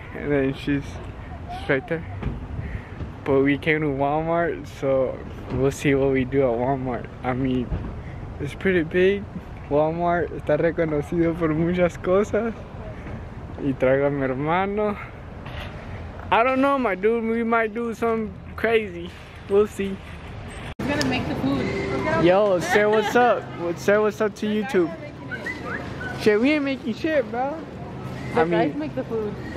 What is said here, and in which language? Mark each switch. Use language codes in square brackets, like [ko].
[en] And then she's right there. But we came to Walmart, so we'll see what we do at Walmart. I mean, it's pretty big. [es] Walmart está reconocido por muchas cosas. Y traigo a mi hermano. [en] I don't know, my dude, we might do something crazy. We'll see. He's gonna make the food. Yo, say what's up. Say what's up to YouTube. Shit, we ain't making shit, bro. Guys make the food.